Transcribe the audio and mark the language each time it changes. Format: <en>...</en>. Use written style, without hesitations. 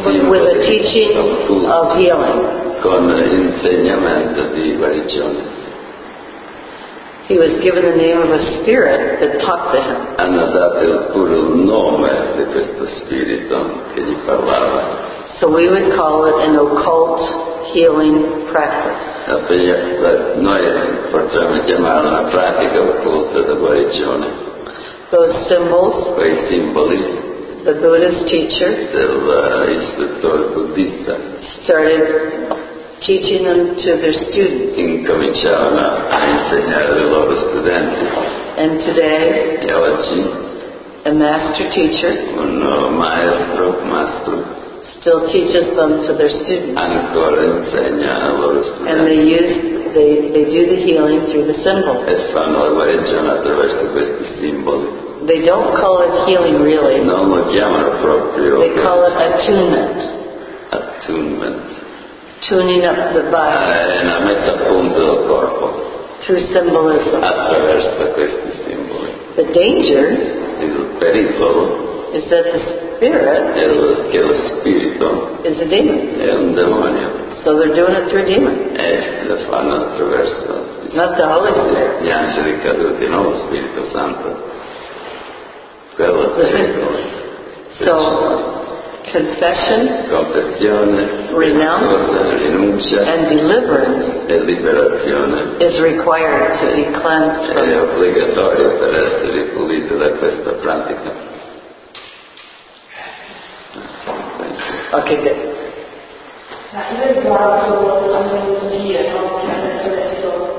<en>With a teaching of healing.</en> <it>Con l'insegnamento di guarigione.</it> <en>He was given the name of a spirit that talked to him.</en> <it>Hanno dato pure il nome di questo spirito che gli parlava.</it> <en>So we would call it an occult healing practice.</en> <it>Noi potremmo chiamarlo una pratica occulta di guarigione.</it> <en>Those symbols.</en> <it>Quei simboli.</it> <en>The Buddhist teacher.</en> <it>Del istruttore buddista.</it> <en>Started. Teaching them to their students.</en> <it>Incominciavano a insegnare ai loro studenti.</it> <en>And today,</en> <it>e oggi,</it> <en>a master teacher,</en> <it>un maestro, maestro,</it> <en>still teaches them to their students.</en> <it>Ancora insegna ai loro studenti.</it> <en>And they do the healing through the symbol.</en> <it>E fanno la guarigione attraverso questi simboli.</it> <en>They don't call it healing, really.</en> <it>Non lo chiamano proprio.</it> <en>They call it attunement. Attunement. Tuning up the body.</en> <it>Una messa a punto del corpo.</it> <en>Through symbolism.</en> <it>Attraverso questi simboli.</it> <en>The danger.</en> <it>Il pericolo.</it> <en>Is that the spirit.</en> <it>Che lo spirito.</it> <en>Is a demon.</en> <it>È un demonio.</it> <en>So they're doing it through a demon.</en> <it>Lo fanno attraverso.</it> <en>Not the Holy Spirit.</en> <it>Gli angeli caduti, non lo Spirito Santo. Quello pericolo.</it> <en>So. Confession,</en> <it>confessione,</it> <en>renounce, and deliverance</en> <it>e liberazione</it> <en>is required to be cleansed from.</en> <it>È obbligatorio per essere pulito da questa pratica.</it> <en>Okay, good.</en> <it>Ma io ho guardato la mia musica, no? Che ha detto adesso.</it>